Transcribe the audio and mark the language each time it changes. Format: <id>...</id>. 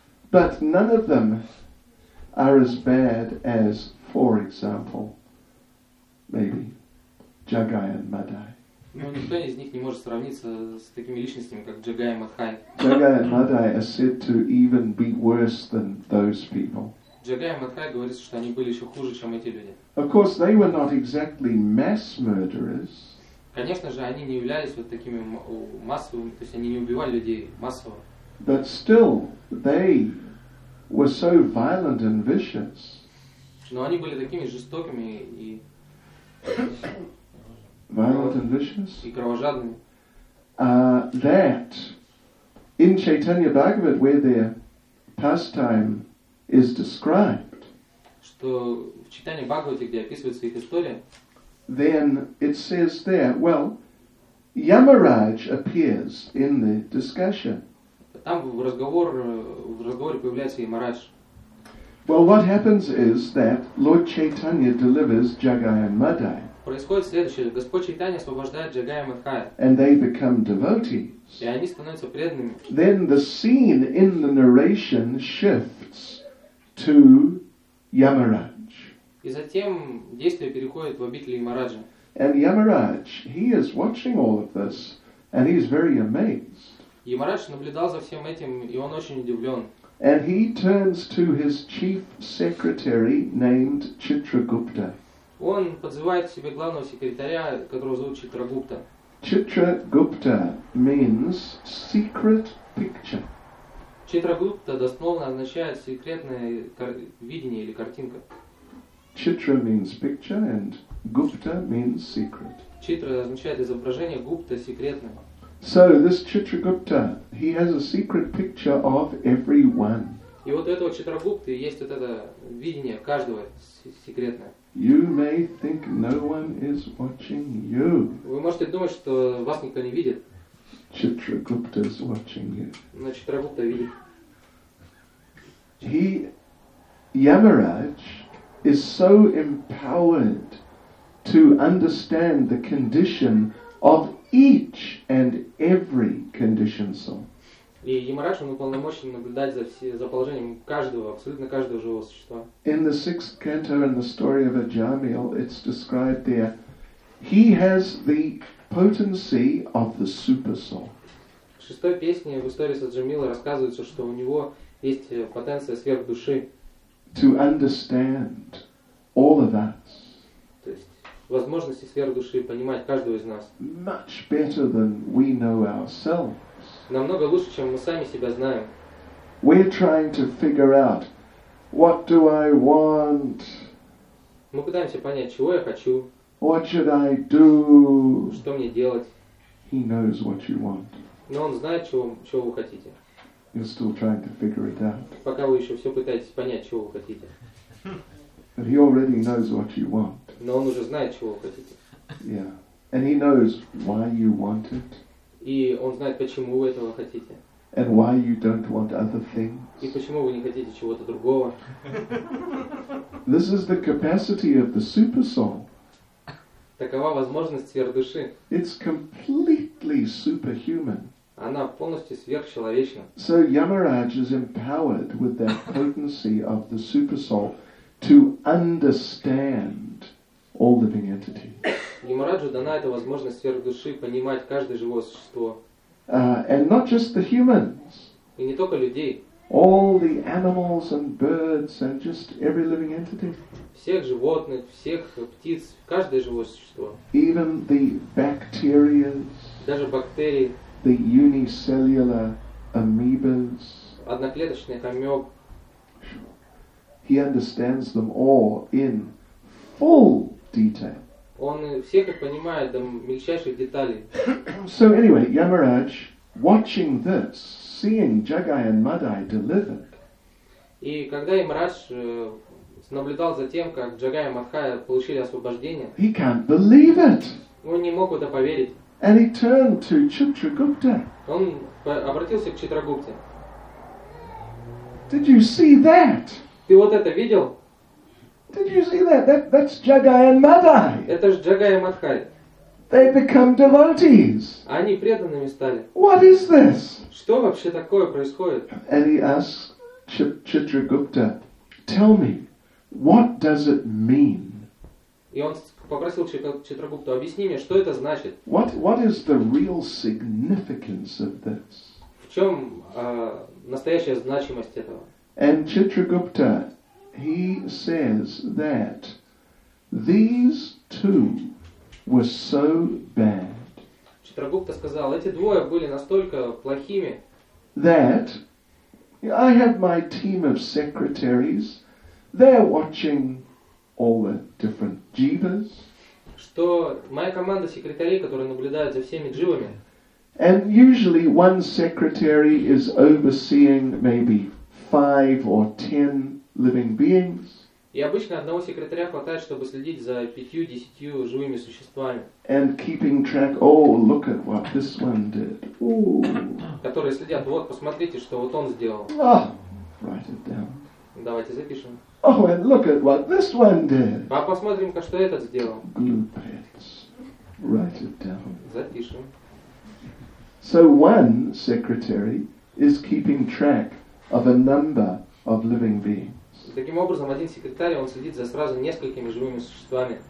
<en>But none of them are as bad as, for example, maybe Jagai and Madai.</en> <ru>Но никто из них не может сравниться с такими личностями, как Jagai and Madai.</ru> <en>Jagai and Madai are said to even be worse than those people.</en> <ru>Jagai and Madai говорится, что они были еще хуже, чем эти люди.</ru> <en>Of course, they were not exactly mass murderers.</en> <ru>Конечно же, они не являлись вот такими массовыми, то есть они не убивали людей массово.</ru> <en>But still, they were so violent and vicious.</en> <ru>Но они были такими жестокими и</ru> <en>violent and vicious.</en> <ru>И кровожадными.</ru> <en>That in Chaitanya Bhagavat, where their pastime is described.</en> <ru>Что в Чайтанья Бхагавате, где описывается их история.</ru> <en>Then it says there, well, Yamaraj appears in the discussion.</en> <ru>Там в разговоре появляется Ямарадж.</ru> <en>Well, what happens is that Lord Chaitanya delivers Jagai and Madai.</en> <ru>Происходит следующее. Господь Чайтанья освобождает Джагая и Мадхая.</ru> <en>And they become devotees.</en> <ru>И они становятся преданными.</ru> <en>Then the scene in the narration shifts to Yamaraj.</en> <ru>И затем действие переходит в обители Ямараджа.</ru> <en>And Yamaraj, he is watching all of this, and he is very amazed.</en> <ru>Ямарадж наблюдал за всем этим, и он очень удивлен.</ru> <en>And he turns to his chief secretary named Chitragupta.</en> <ru>Он подзывает к себе главного секретаря, которого зовут Читрагупта.</ru> <en>Chitragupta means secret picture.</en> <ru>Читрагупта дословно означает секретное видение или картинка.</ru> <en>Chitra means picture and Gupta means secret.</en> <ru>Chitra означает изображение, Gupta секретное.</ru> <en>So this Chitragupta, he has a secret picture of everyone.</en> <ru>И вот у этого Читрагупты есть вот это видение каждого секретное.</ru> <en>You may think no one is watching you.</en> <ru>Вы можете думать, что вас никто не видит.</ru> <en>Chitragupta is watching you.</en> <ru>Но Читрагупта видит.</ru> <en>He, Yamaraj, is so empowered to understand the condition of each and every conditioned soul.</en> <ru>И Ямарадж, он уполномочен наблюдать за положением каждого, абсолютно каждого живого существа.</ru> <en>In the sixth canto in the story of Ajamil, it's described there, he has the potency of the super soul.</en> <ru>В шестой песне в истории с Аджамилом рассказывается, что у него есть потенция сверхдуши.</ru> <en>To understand all of us.</en> <ru>То есть возможности сверхдуши понимать каждого из нас.</ru> <en>Much better than we know ourselves.</en> <ru>Намного лучше, чем мы сами себя знаем.</ru> <en>We're trying to figure out, what do I want?</en> <ru>Мы пытаемся понять, чего я хочу.</ru> <en>What should I do?</en> <ru>Что мне делать?</ru> <en>He knows what you want.</en> <ru>Но он знает, чего вы хотите.</ru> <en>You're still trying to figure it out.</en> <ru>Пока вы еще все пытаетесь понять, чего вы хотите.</ru> <en>But he already knows what you want.</en> <ru>Но он уже знает, чего вы хотите.</ru> <en>Yeah. And he knows why you want it.</en> <ru>И он знает, почему вы этого хотите.</ru> <en>And why you don't want other things.</en> <ru>И почему вы не хотите чего-то другого.</ru> <en>This is the capacity of the super soul.</en> <ru>Такова возможность сверхдуши.</ru> <en>It's completely superhuman.</en> <ru>Она полностью сверхчеловечна.</ru> <en>So Yamaraj is empowered with that potency of the super soul to understand all living entities.</en> <ru>Ямараджу дана эта возможность сверхдуши понимать каждое живое существо.</ru> <en>And not just the humans.</en> <ru>И не только людей.</ru> <en>All the animals and birds and just every living entity.</en> <ru>Всех животных, всех птиц, каждое живое существо.</ru> <en>Even the bacteria.</en> <ru>Даже бактерии.</ru> <en>The unicellular amoebas.</en> <ru>Одноклеточные амёбы.</ru> <en>He understands them all in full detail.</en> <ru>Он всех их понимает до мельчайших деталей.</ru> <en>So anyway, Yamaraj, watching this, seeing Jagai and Madai delivered.</en> <ru>И когда Ямарадж наблюдал за тем, как Джагай и Мадхай получили освобождение,</ru> <en>he can't believe it.</en> <ru>Он не мог в это поверить.</ru> <en>And he turned to Chitragupta.</en> <ru>Он обратился к Читрагупте.</ru> <en>Did you see that?</en> <ru>Ты вот это видел?</ru> <en>Did you see that? That's Jagai and Madai.</en> <ru>Это ж Джагай и Мадхай.</ru> <en>They become devotees.</en> <ru>Они преданными стали.</ru> <en>What is this?</en> <ru>Что вообще такое происходит?</ru> <en>And he asks Chitragupta, tell me, what does it mean?</en> <ru>И он попросил Читрагупту, объясни мне, что это значит.</ru> <en>What is the real significance of this?</en> <ru>В чем настоящая значимость этого?</ru> <en>And Chitragupta, he says that these two were so bad.</en> <ru>Читрагупта сказал, эти двое были настолько плохими.</ru> <en>That I have my team of secretaries. They're watching all the different jivas.</en> <ru>Что моя команда секретарей, которые наблюдают за всеми дживами.</ru> <en>And usually one secretary is overseeing maybe 5 or 10. Living beings.</en> <ru>И обычно одного секретаря хватает, чтобы следить за 5-10 живыми существами.</ru> <en>And keeping track. Oh, look at what this one did. Ooh.</en> <ru>Которые следят. Вот, посмотрите, что вот он сделал.</ru> <en>Oh, write it down.</en> <ru>Давайте запишем.</ru> <en>Oh, and look at what this one did.</en> <ru>А посмотрим-ка, что этот сделал. Glupets.</ru> <en>Write it down.</en> <ru>Запишем.</ru> <en>So one secretary is keeping track of a number of living beings.</en> <ru>Таким образом, один секретарь, он следит за сразу несколькими живыми существами.</ru>